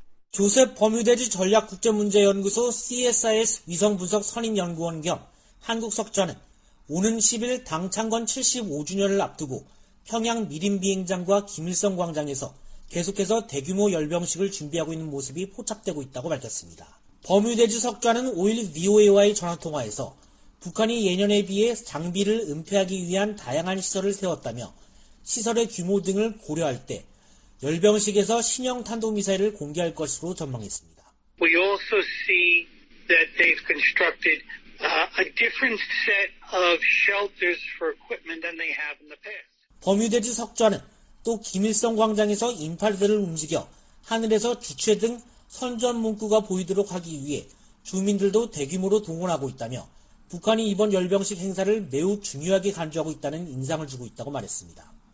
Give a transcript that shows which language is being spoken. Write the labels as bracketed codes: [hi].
[ko] 조셉 버뮤데지 전략국제문제연구소 CSIS 위성분석 선임연구원 겸 한국석좌는 오는 10일 당 창건 75주년을 앞두고 평양 미림비행장과 김일성 광장에서 계속해서 대규모 열병식을 준비하고 있는 모습이 포착되고 있다고 밝혔습니다. 버뮤데지 석좌는 5일 VOA와의 전화통화에서 북한이 예년에 비해 장비를 은폐하기 위한 다양한 시설을 세웠다며 시설의 규모 등을 고려할 때 열병식에서 신형 탄도미사일을 공개할 것으로 전망했습니다. [en] We also see that they've constructed a different set of shelters for equipment than they have in the past. [ko] 버뮤데지 석좌는 또 김일성 광장에서 인파들을 움직여 하늘에서 주체 등 선전 문구가 보이도록 하기 위해 주민들도 대규모로 동원하고 있다며 북한이 이번 열병식 행사를 매우 중요하게 간주하고 있다는 인상을 주고 있다고 말했습니다.